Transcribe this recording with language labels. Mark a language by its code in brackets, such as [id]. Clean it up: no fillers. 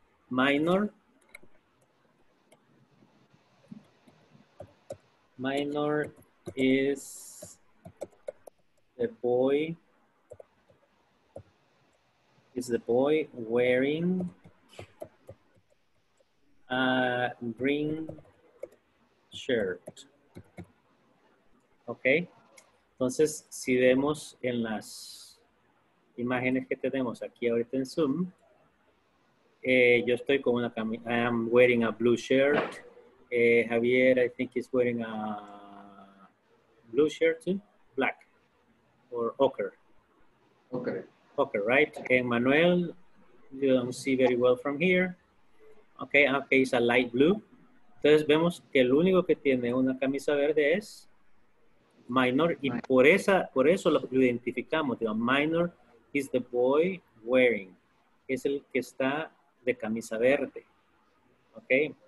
[en] Minor is the boy wearing a green shirt. [es] Okay, entonces si vemos en las imágenes que tenemos aquí ahorita en Zoom, yo estoy con una camisa, [en] I am wearing a blue shirt. Javier, I think he's wearing a blue shirt too, black or ochre. Ochre. Ochre, right? Okay, Manuel, you don't see very well from here. Okay, it's a light blue. [es] Entonces vemos que el único que tiene una camisa verde es minor, y por eso lo identificamos. [en] Digo, minor is the boy wearing. [es] Es el que está de camisa verde. [en] Okay.